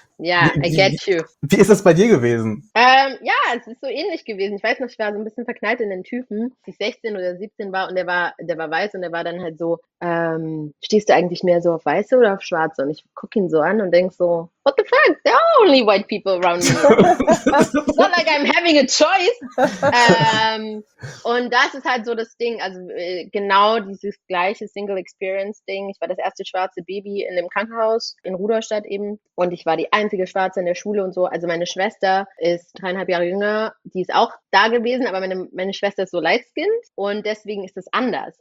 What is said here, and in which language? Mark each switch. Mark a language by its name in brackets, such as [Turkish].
[English] Ja, I get you. [German] Wie ist das bei dir gewesen? Ja, es ist so ähnlich gewesen. Ich weiß noch, ich war so ein bisschen verknallt in den Typen, als ich 16 oder 17 war und der war weiß und der war dann halt so, stehst du eigentlich mehr so auf Weiße oder auf Schwarze? Und ich gucke ihn so an und denk so, [English] what the fuck? There are only white people around me. It's not like I'm having a choice. [German] Und das ist halt so das Ding, also genau dieses gleiche Single Experience Ding. Ich war das erste schwarze Baby in dem Krankenhaus in Rudolstadt eben und ich war die einzige Schwarze in der Schule und so. Also meine Schwester ist 3,5 Jahre jünger, die ist auch da gewesen, aber meine Schwester ist so light-skinned und deswegen ist es anders.